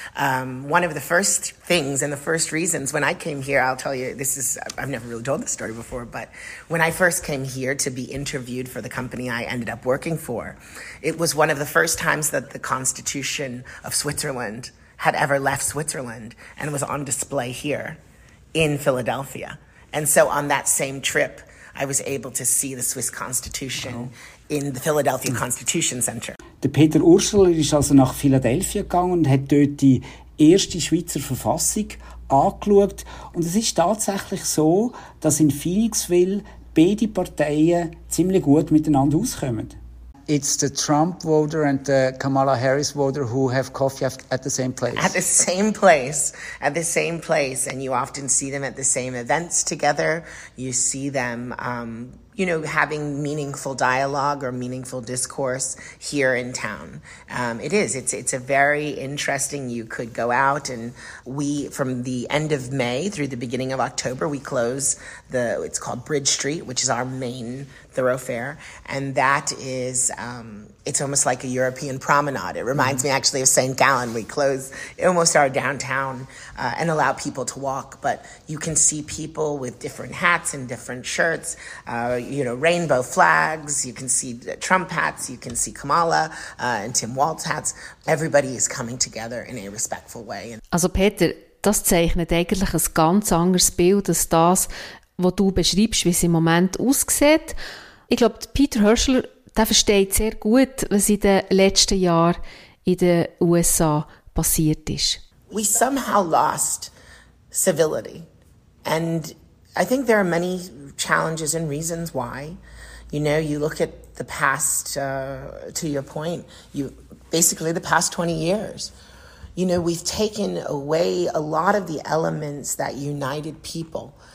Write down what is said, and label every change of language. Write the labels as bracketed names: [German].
[English] One of the first things and the first reasons when I came here, I'll tell you, this is, I've never really told this story before, but when I first came here to be interviewed for the company I ended up working for, it was one of the first times that the Constitution of Switzerland had ever left Switzerland and was on display here in Philadelphia. And so on that same trip, I was able to see the Swiss Constitution in the Philadelphia Constitution Center. [German] Der Peter Oeschler ist also nach Philadelphia gegangen und hat dort die erste Schweizer Verfassung angeschaut. Und es ist tatsächlich so, dass in Felixville beide Parteien ziemlich gut miteinander auskommen. [English] It's the Trump voter and the Kamala Harris voter who have coffee at the same place. At the same place. At the same place. And you often see them at the same events together. You see them, you know, having meaningful dialogue or meaningful discourse here in town. It is. It's a very interesting, you could go out and we, from the end of May through the beginning of October, we close it's called Bridge Street, which is our main thoroughfare. And that is, it's almost like a European promenade. It reminds me actually of St. Gallen. We close almost our downtown and allow people to walk. But you can see people with different hats and different shirts, you know, rainbow flags. You can see Trump hats. You can see Kamala and Tim Walz hats. Everybody is coming together in a respectful way. [German] Also Peter, das zeichnet eigentlich ein ganz anderes Bild als das, wo du beschreibst, wie es im Moment aussieht. Ich glaube, Peter Oeschler, der versteht sehr gut, was in den letzten Jahren in den USA passiert ist. [English] We somehow lost civility. And I think there are many challenges and reasons why. You know, you look at the past, to your point, basically the past 20 years. You know, we've taken away a lot of the elements that united people.